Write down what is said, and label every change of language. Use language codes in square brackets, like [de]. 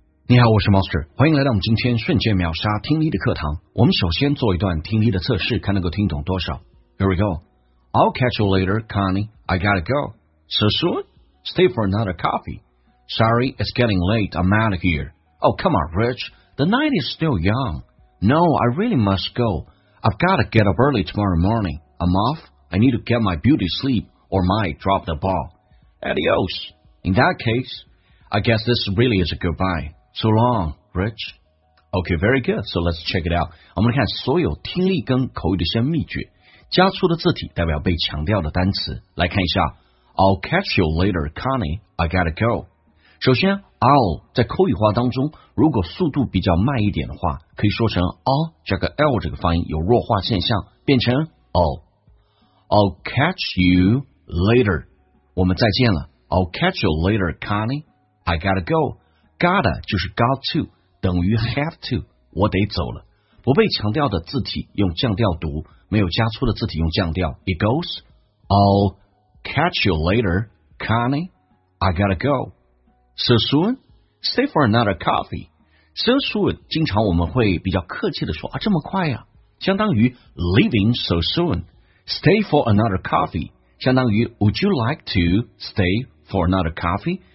[zh] 你好，我是 Monster， 欢迎来到我们今天瞬间秒杀听力的课堂。我们首先做一段听力的测试，看能够听懂多少。 [en] Here we go. I'll catch you later, Connie. I gotta go. So soon? Stay for another coffee. Sorry, it's getting late. I'm out of here. Oh, come on, Rich. The night is still young. No, I really must go. I've gotta get up early tomorrow morning. I'm off. I need to get my beauty sleep or might drop the ball. Adios. In that case, I guess this really is a goodbye. So long, Rich. Okay, very good. So let's check it out. [zh] 我们来看所有听力跟口语的一些秘诀。加粗的字体代表被强调的单词。来看一下 [en] I'll catch you later, Connie. I gotta go. [zh] 首先 I'll 在口语化当中，如果速度比较慢一点的话，可以说成 I'll 加个 L 这个发音有弱化现象，变成 [en] I'll catch you later. [zh] 我们再见了 [en] I'll catch you later, Connie. I gotta go. Gotta [zh] 就是 [en] got to [zh] 等于 [en] have to [zh] 我得走了不被强调的字体用降调 [en] 读没有加粗的字体用降调 It goes I'll catch you later Connie I gotta go So soon Stay for another coffee So soon [zh] 经常我们会比较客气的说啊，这么快啊相当于 [en] leaving so soon Stay for another coffee [zh] 相当于 [en] Would you like to stay for another coffee?